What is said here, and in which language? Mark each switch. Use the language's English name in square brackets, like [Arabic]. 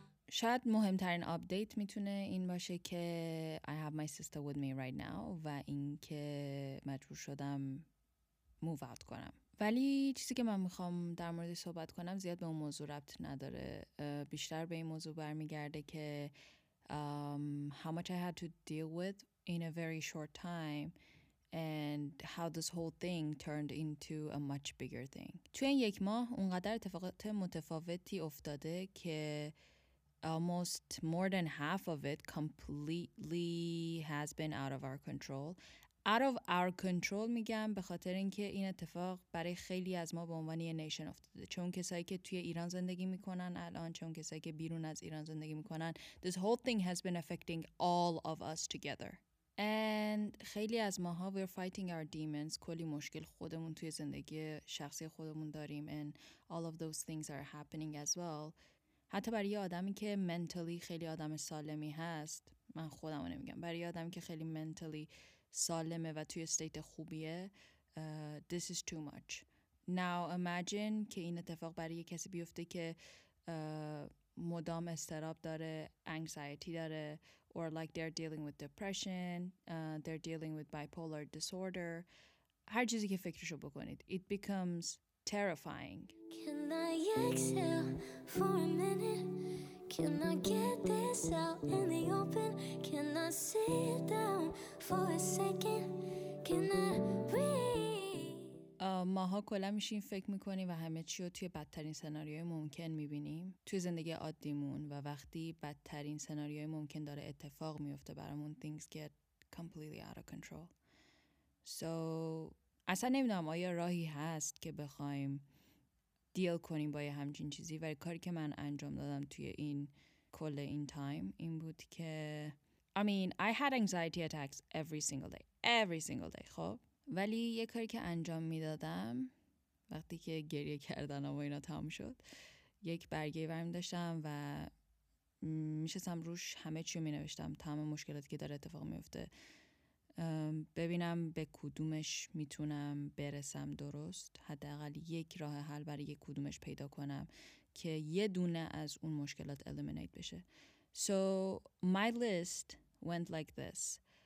[Persian] شاید مهمترین آپدیت میتونه این باشه که [English] I have my sister with me right now [Persian] و این که مجبور شدم [English] move out [Persian] کنم ولی چیزی که من میخوام در مورد صحبت کنم زیاد به اون موضوع ربط نداره. بیشتر به این موضوع برمیگرده که [English] how much I had to deal with in a very short time and how this whole thing turned into a much bigger thing. [Persian] توی این یک ماه اونقدر اتفاقات متفاوتی افتاده که [English] almost more than half of it completely has been out of our control. Out of our control [Persian] میگم به خاطر اینکه این اتفاق برای خیلی از ما به عنوان یه نیشن افتاده. چون کسایی که توی ایران زندگی میکنن الان، چون کسایی که بیرون از ایران زندگی میکنن، [English] this whole thing has been affecting all of us together. And [Persian] خیلی از ماها [English] we're fighting our demons. [Persian] کلی مشکل خودمون توی زندگی شخصی خودمون داریم [English] and all of those things are happening as well. [Persian] حتی برای یه آدمی که mentally خیلی آدم سالمی هست، من خودمو نمیگم، برای یه آدمی که خیلی mentally سالمه و توی استیت خوبیه، [English] this is too much. Now imagine [Persian] که این اتفاق برای یه کسی بیفته که مدام استراب داره، [English] anxiety داره، or like they're dealing with depression, they're dealing with bipolar disorder. [Persian] هر چیزی که فکرشو بکنید. [English] It becomes terrifying. Can I exhale for a minute? Can I get this out in the open? Can I sit down for a second? Can I breathe? [Persian] ماها کلا میشین فکر میکنی و همه چی رو توی بدترین سناریوی ممکن میبینیم توی زندگی عادیمون و وقتی بدترین سناریوی ممکن داره اتفاق میفته برامون [English] things get completely out of control. [Persian] So اصلا نمیدونم آیا راهی هست که بخوایم دیل کنیم با یه همچین چیزی، ولی کاری که من انجام دادم توی این کل این تایم این بود که [English] I had anxiety attacks every single day [Persian] خب، ولی یه کاری که انجام میدادم وقتی که گریه کردن و اینا تموم شد، یک برگه برمی داشتم و میشستم روش همه چی رو می نوشتم، تمام مشکلاتی که داره اتفاق میفته، ببینم به کدومش میتونم برسم درست، حداقل یک راه حل برای یک کدومش پیدا کنم که یه دونه از اون مشکلات eliminate بشه. [English] So my list went like this.